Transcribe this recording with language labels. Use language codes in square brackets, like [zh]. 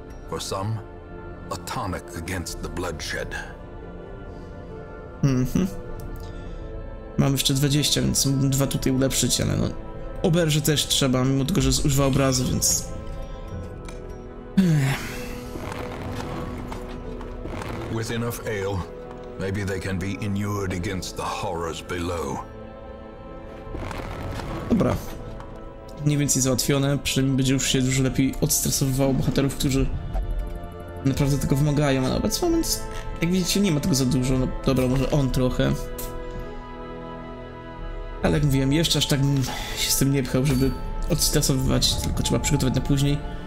[en] For some, a tonic against the bloodshed. [pl] Mam jeszcze 20, więc mógłbym dwa tutaj ulepszyć, ale no... oberże też trzeba, mimo tego, że używa obrazy, więc... [en] With enough ale, maybe they can be inured against the horrors below. [pl] Dobra. Mniej więcej załatwione, przynajmniej będzie już się dużo lepiej odstresowywało bohaterów, którzy... naprawdę tego wymagają, ale obecny moment, jak widzicie, nie ma tego za dużo. No dobra, może on trochę. Ale jak mówiłem, jeszcze aż tak się z tym nie pchał, żeby odstresowywać, tylko trzeba przygotować na później.